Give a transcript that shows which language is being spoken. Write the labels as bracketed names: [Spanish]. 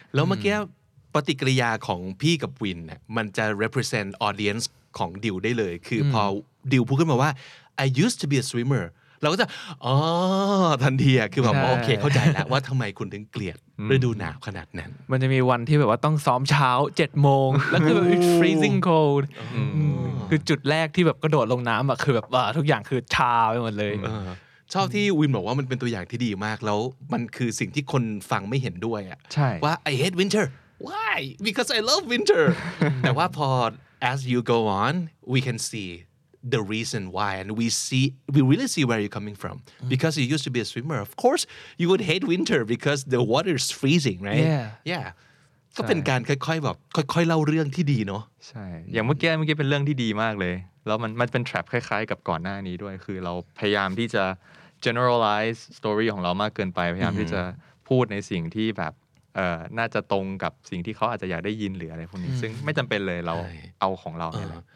[Thai] แล้วเมื่อกี้ปฏิกิริยาของพี่กับวินเนี่ยมันจะ represent audience ของดิวได้เลยคือพอดิวพูดขึ้นมาว่า [English] I used to be a swimmer [Thai] เราก็จะอ๋อทันทีคือแบบโอเคเข้าใจแล้วว่าทำไมคุณถึงเกลียดฤดูหนาวขนาดนั้น มันจะมีวันที่แบบว่าต้องซ้อมเช้า7 โมงแล้วคือ [English] it's freezing cold [Thai] คือจุดแรกที่แบบกระโดดลงน้ำอ่ะคือแบบว่าทุกอย่างคือชาไปหมดเลย ชอบที่วินบอกว่ามันเป็นตัวอย่างที่ดีมากแล้วมันคือสิ่งที่คนฟังไม่เห็นด้วยอ่ ะ ใช่ ว่า [English] I hate winter why because I love winter [Thai] แต่ว่าพอ [English] as you go on we can see the reason why and we really see where you're coming from because you used to be a swimmer of course you would hate winter because the water is freezing right yeah [Thai] ก็เป็นการค่อยๆแบบค่อยๆเล่าเรื่องที่ดีเน าะใช่อย่างเมื่อกี้เป็นเรื่องที่ดีมากเลยแล้วมันเป็นแทร็ปคล้ายๆกับก่อนหน้านี้ด้วยคือเราพยายามที่จะ generalize story ของเรามากเกินไปพยายามที่จะพูดในสิ่งที่แบบน่าจะตรงกับสิ่งที่เขาอาจจะอยากได้ยินหรืออะไรพวกนี้ซึ่งไม่จำเป็นเลยเราเอาของเราเนี่ยแหละ